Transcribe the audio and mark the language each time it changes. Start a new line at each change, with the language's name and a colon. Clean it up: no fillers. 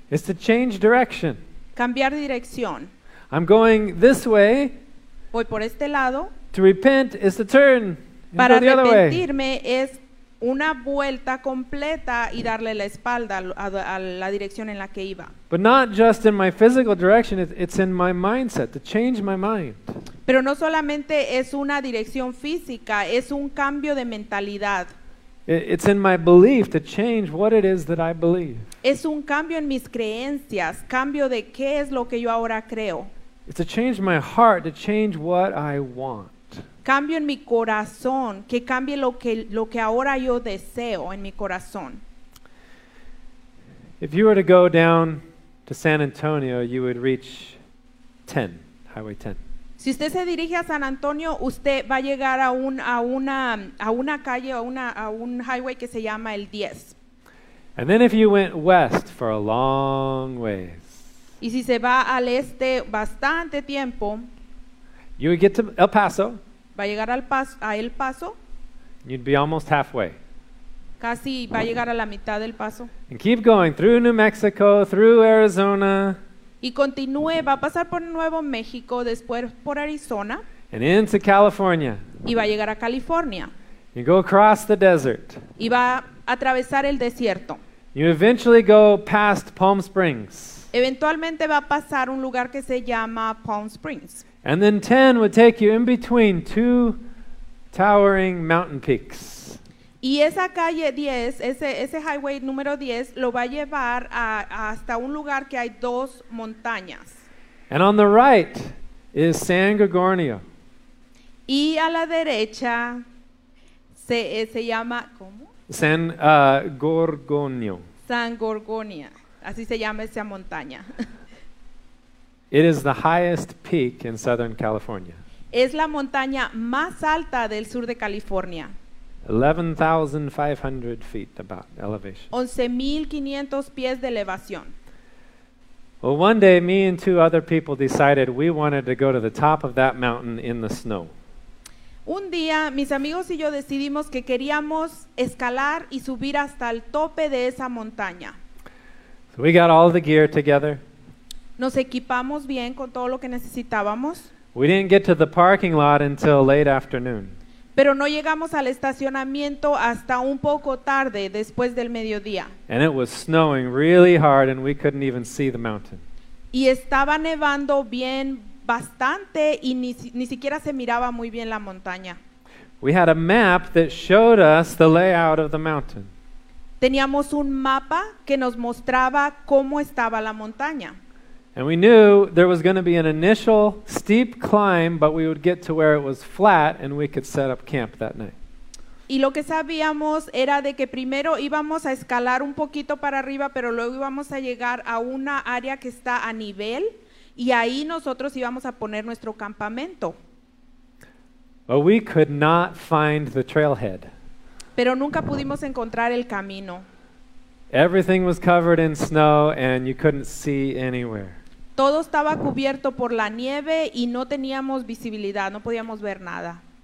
English: It's to change direction.
Spanish: Cambiar dirección.
English: I'm going this way.
Spanish: Voy por este lado.
English: To repent is to turn and go the other way.
Spanish: Para arrepentirme es una vuelta completa y darle la espalda a la dirección en la que iba.
English: But not just in my physical direction, it's in my mindset, to change my mind.
Spanish: Pero no solamente es una dirección física, es un cambio de mentalidad.
English: It's in my belief, to change what it is that I believe.
Spanish: Es un cambio en mis creencias, cambio de qué es lo que yo ahora creo.
English: It's to change my heart, to change what I want.
Spanish: cambio en mi corazón, que cambie lo que ahora yo deseo en mi corazón.
English: If you were to go down to San Antonio, you would reach 10, Highway 10.
Spanish: Si usted se dirige a San Antonio, usted va a llegar a una calle, a un highway que se llama el 10.
English: And then if you went west for a long ways.
Spanish: Y si se va al este bastante tiempo,
English: you would get to El Paso.
Spanish: Va a llegar a El Paso.
English: You'd be almost halfway.
Spanish: Casi va a llegar a la mitad del paso.
English: And keep going through New Mexico, through Arizona.
Spanish: Y continúe, va a pasar por Nuevo México, después por Arizona.
English: And into California.
Spanish: Y va a llegar a California.
English: You go across the desert.
Spanish: Y va a atravesar el desierto.
English: You eventually go past Palm Springs.
Spanish: Eventualmente va a pasar un lugar que se llama Palm Springs.
English: And then 10 would take you in between two towering mountain peaks.
Spanish: Y esa calle 10, ese highway número 10, lo va a llevar hasta un lugar que hay dos montañas.
English: And on the right is San Gregorio.
Spanish: Y a la derecha se llama, ¿cómo?
English: San Gorgonio.
Spanish: San Gorgonia, así se llama esa montaña.
English: It is the highest peak in Southern California.
Spanish: Es la montaña más alta del sur de California.
English: 11,500 feet about elevation.
Spanish: 11,500 pies de elevación.
English: Well, one day me and two other people decided we wanted to go to the top of that mountain in the snow.
Spanish: Un día mis amigos y yo decidimos que queríamos escalar y subir hasta el tope de esa montaña.
English: So we got all the gear together.
Spanish: Nos equipamos bien con todo lo que necesitábamos.
English: We didn't get to the parking lot until late afternoon.
Spanish: Pero no llegamos al estacionamiento hasta un poco tarde, después del mediodía.
English: And it was snowing really hard and we couldn't even see the mountain.
Spanish: Y estaba nevando bien bastante y ni siquiera se miraba muy bien la montaña.
English: We had a map that showed us the layout of the mountain.
Spanish: Teníamos un mapa que nos mostraba cómo estaba la montaña.
English: And we knew there was going to be an initial steep climb, but we would get to where it was flat and we could set up camp that night.
Spanish: Y lo que sabíamos era de que primero íbamos a escalar un poquito para arriba, pero luego íbamos a llegar a una área que está a nivel y ahí nosotros íbamos a poner nuestro campamento.
English: But we could not find the trailhead.
Spanish: Pero nunca pudimos encontrar el camino.
English: Everything was covered in snow and you couldn't see anywhere.
Spanish: Todo estaba cubierto por la nieve y no teníamos visibilidad, no podíamos ver nada.